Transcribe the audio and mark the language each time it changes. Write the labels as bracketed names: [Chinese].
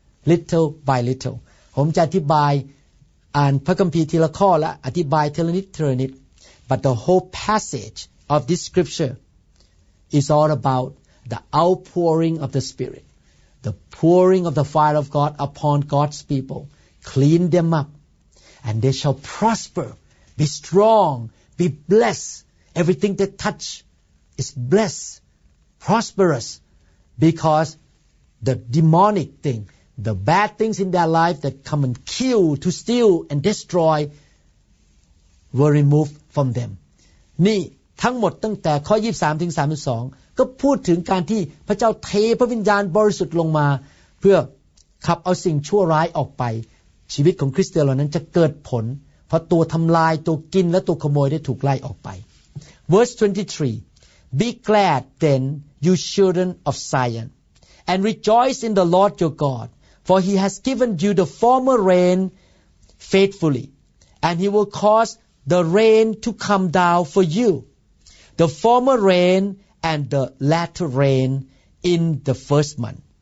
[English] little by little [Thai] ผมจะอธิบายอ่านพระคัมภีร์ทีละข้อและอธิบายทีละนิด [English] ทีละนิด But the whole passage of this scripture is all aboutThe outpouring of the Spirit, the pouring of the fire of God upon God's people, clean them up, and they shall prosper, be strong, be blessed. Everything they touch is blessed, prosperous, because the demonic thing, the bad things in their life that come and kill, to steal and destroy, were removed from them. [Thai] นี่ทั้งหมดตั้งแต่ข้อ23ถึง32ก็พูดถึงการที่พระเจ้าเทพระวิญญาณบริสุทธิ์ลงมาเพื่อขับเอาสิ่งชั่วร้ายออกไป ชีวิตของคริสเตียนเหล่านั้นจะเกิดผลเพราะตัวทำลายตัวกินและตัวขโมยได้ถูกไล่ออกไป [English] Verse 23 Be glad then you children of Zion and rejoice in the Lord your God for he has given you the former rain faithfully and he will cause the rain to come down for you the former rainand the latter rain in the first month.